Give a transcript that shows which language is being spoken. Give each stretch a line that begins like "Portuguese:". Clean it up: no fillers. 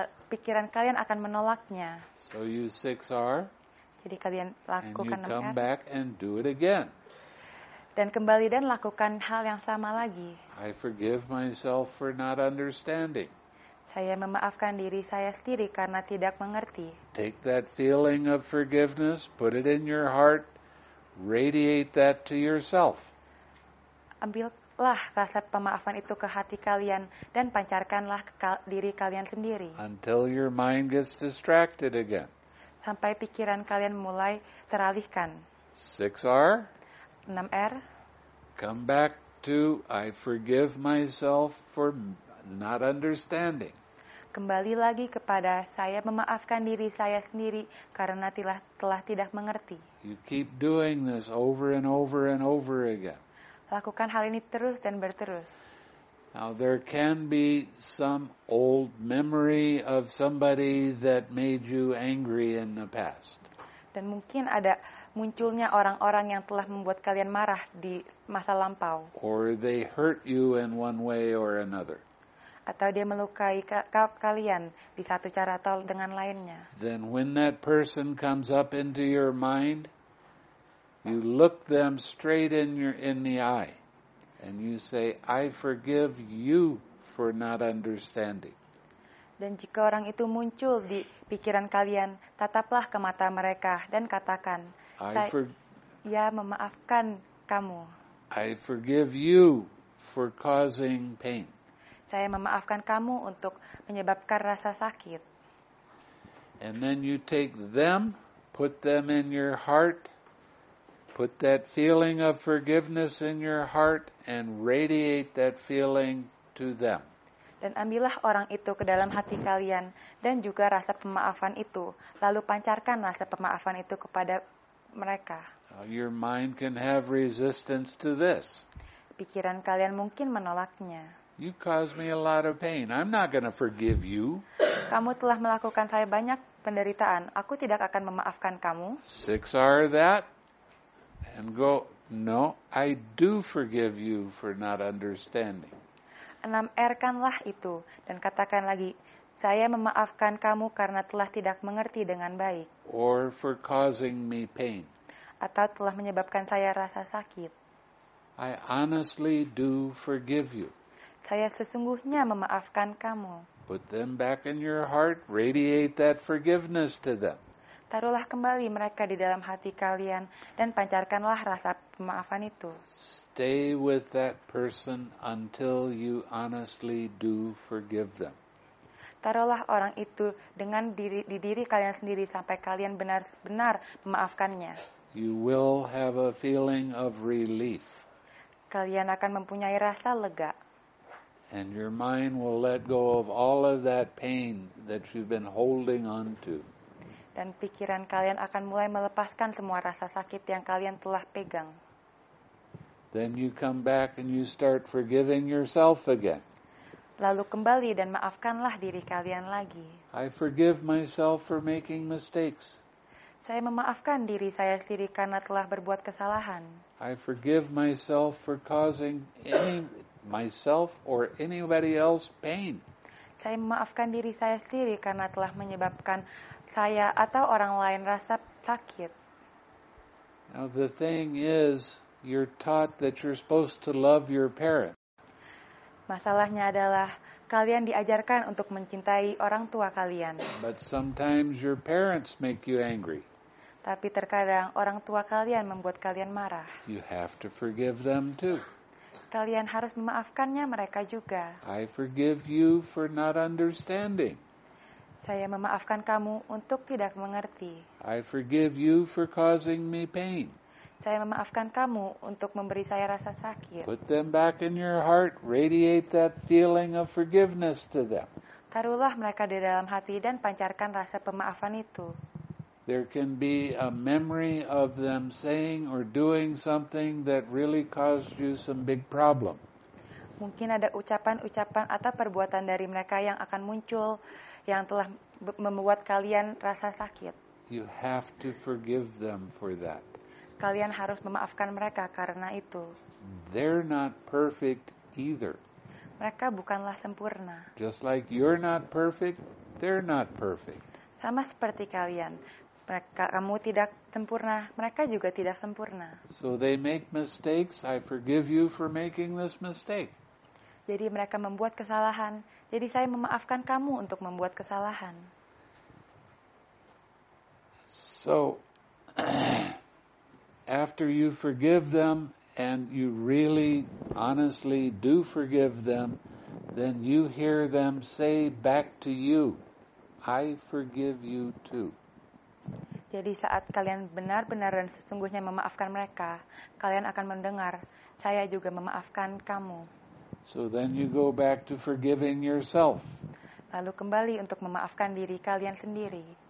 Indonesian: Pikiran kalian akan menolaknya.
English: So you 6R.
Indonesian: Jadi kalian lakukan lagi.
English: And you come back and do it again.
Indonesian: Dan kembali dan lakukan hal yang sama lagi.
English: I forgive myself for not understanding.
Indonesian: Saya memaafkan diri saya sendiri karena tidak mengerti.
English: Take that feeling of forgiveness, put it in your heart, radiate that to yourself.
Indonesian: Ambillah rasa pemaafan itu ke hati kalian dan pancarkanlah ke diri kalian sendiri.
English: Until your mind gets distracted again.
Indonesian: Sampai pikiran kalian mulai teralihkan.
English: 6R. 6R. Come back to I forgive myself for not understanding.
Indonesian: Kembali lagi kepada saya memaafkan diri saya sendiri karena telah tidak mengerti.
English: You keep doing this over and over and over again.
Indonesian: Lakukan hal ini terus dan berterus.
English: Now there can be some old memory of somebody that made you angry in the past.
Indonesian: Dan mungkin ada munculnya orang-orang yang telah membuat kalian marah di masa lampau.
English: Or they hurt you in one way or another.
Indonesian: Atau dia melukai kalian di satu cara atau dengan lainnya.
English: Then when that person comes up into your mind, you look them straight in the eye and you say, I forgive you for not understanding.
Indonesian: Dan jika orang itu muncul di pikiran kalian, tataplah ke mata mereka dan katakan, saya memaafkan kamu.
English: I forgive you for causing pain.
Indonesian: Saya memaafkan kamu untuk menyebabkan rasa sakit.
English: And then you take them, put them in your heart. Put that feeling of forgiveness in your heart and radiate that feeling to them.
Indonesian: Dan ambillah orang itu ke dalam hati kalian dan juga rasa pemaafan itu, lalu pancarkan rasa pemaafan itu kepada mereka.
English: Your mind can have resistance to this.
Indonesian: Pikiran kalian mungkin menolaknya.
English: You caused me a lot of pain. I'm not going to forgive you.
Indonesian: Kamu telah melakukan saya banyak penderitaan. Aku tidak akan memaafkan kamu.
English: 6R that. And go, no, I do forgive you for not understanding.
Indonesian: 6R-kanlah itu dan katakan lagi, saya memaafkan kamu karena telah tidak mengerti dengan baik.
English: Or for causing me pain.
Indonesian: Atau telah menyebabkan saya rasa sakit.
English: I honestly do forgive you.
Indonesian: Saya sesungguhnya memaafkan kamu.
English: Put them back in your heart, radiate that forgiveness to them.
Indonesian: Taruhlah kembali mereka di dalam hati kalian dan pancarkanlah rasa pemaafan itu.
English: Stay with that person until you honestly do forgive them.
Indonesian: Taruhlah orang itu dengan diri kalian sendiri sampai kalian benar-benar memaafkannya.
English: You will have a feeling of relief.
Indonesian: Kalian akan mempunyai rasa lega.
English: And your mind will let go of all of that pain that you've been holding on to.
Indonesian: Dan pikiran kalian akan mulai melepaskan semua rasa sakit yang kalian telah pegang.
English: Then you come back and you start forgiving yourself again.
Indonesian: Lalu kembali dan maafkanlah diri kalian lagi.
English: I forgive myself for making mistakes.
Indonesian: Saya memaafkan diri saya sendiri karena telah berbuat kesalahan.
English: I forgive myself for causing myself or anybody else pain.
Indonesian: Saya memaafkan diri saya sendiri karena telah menyebabkan saya atau orang lain rasa sakit.
English: Now the thing is, you're taught that you're supposed to love your parents.
Indonesian: Masalahnya adalah kalian diajarkan untuk mencintai orang tua kalian.
English: But sometimes your parents make you angry.
Indonesian: Tapi terkadang orang tua kalian membuat kalian marah.
English: You have to forgive them too.
Indonesian: Kalian harus memaafkannya mereka juga.
English: I forgive you for not understanding.
Indonesian: Saya memaafkan kamu untuk tidak mengerti.
English: I forgive you for causing me pain.
Indonesian: Saya memaafkan kamu untuk memberi saya rasa sakit.
English: Put them back in your heart, radiate that feeling of forgiveness to them.
Indonesian: Taruhlah mereka di dalam hati dan pancarkan rasa pemaafan itu.
English: There can be a memory of them saying or doing something that really caused you some big problem.
Indonesian: Mungkin ada ucapan-ucapan atau perbuatan dari mereka yang akan muncul yang telah membuat kalian rasa sakit.
English: You have to forgive them for that.
Indonesian: Kalian harus memaafkan mereka karena itu.
English: They're not perfect either.
Indonesian: Mereka bukanlah sempurna.
English: Just like you're not perfect, they're not perfect.
Indonesian: Sama seperti kalian. Kamu tidak sempurna, mereka juga tidak sempurna.
English: So they make mistakes. I forgive you for making this mistake.
Indonesian: Jadi mereka membuat kesalahan. Jadi saya memaafkan kamu untuk membuat kesalahan.
English: So after you forgive them and you really honestly do forgive them, then you hear them say back to you, I forgive you too.
Indonesian: Jadi saat kalian benar-benar dan sesungguhnya memaafkan mereka, kalian akan mendengar, saya juga memaafkan kamu.
English: So then you go back to forgiving yourself.
Indonesian: Lalu kembali untuk memaafkan diri kalian sendiri.